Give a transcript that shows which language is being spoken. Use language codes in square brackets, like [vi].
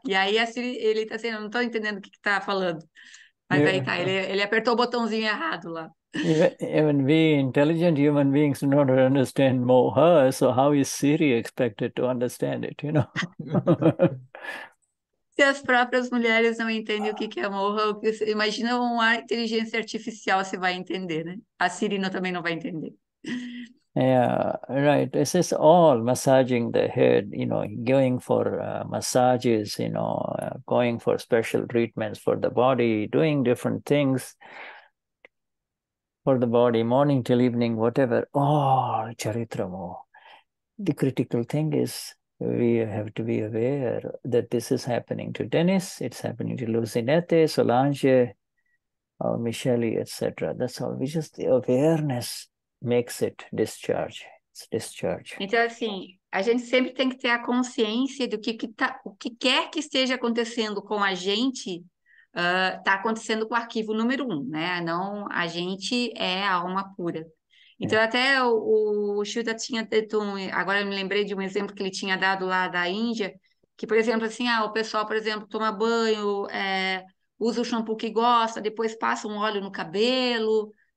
[pt] E aí a Siri, ele tá assim, eu não tô entendendo o que que tá falando. Mas aí tá, ele apertou o botãozinho errado lá. [en] Even we intelligent human beings do not understand Moha, so how is Siri expected to understand it, you know? [pt] Se as próprias mulheres não entendem o que que é morra, imagina uma inteligência artificial se vai entender, né? A Siri também não vai entender. [en] Yeah, right. This is all massaging the head, going for massages, going for special treatments for the body, doing different things for the body, morning till evening, whatever. All charitramo. The critical thing is we have to be aware that this is happening to Dennis, it's happening to Lucinette, Solange, or Michele, etc. That's all. We just the awareness. Makes it discharge. It's discharge. [pt] Então, assim, a gente sempre tem que ter a consciência do que tá, o que quer que esteja acontecendo com a gente, está acontecendo com o arquivo número um, né? Não, a gente é a alma pura. Então, até o Shuddha tinha dito, agora eu me lembrei de um exemplo que ele tinha dado lá da Índia, que, por exemplo, assim, ah, o pessoal, por exemplo, toma banho, usa o shampoo que gosta, depois passa um óleo no cabelo.